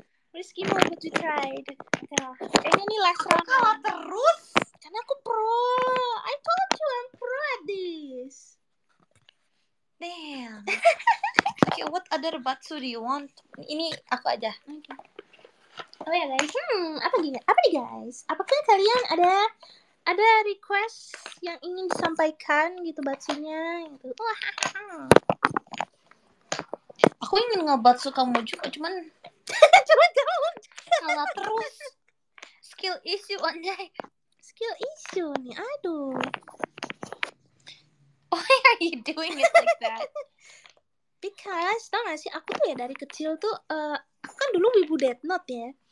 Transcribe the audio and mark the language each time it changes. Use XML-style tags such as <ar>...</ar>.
<en>Risky move that you tried. Okay. Ini last round.</en> <id>Kalah terus. Karena aku pro.</id> <en>I told you I'm pro at this. Damn. Okay, what other batsu do you want?</en> <id>Ini aku aja. Okay. Oh ya guys, apa nih guys? Apakah kalian ada request yang ingin disampaikan gitu batsunya? Gitu. Aku ingin ngebatsu kamu juga, cuman jauh. Kalah terus. Skill issue anjay. Skill issue nih, aduh.</id> <en>Why are you doing it like that?</en> <id>Because, tau gak sih, aku tuh ya dari kecil tuh, aku kan dulu wibu Death Note ya.</id>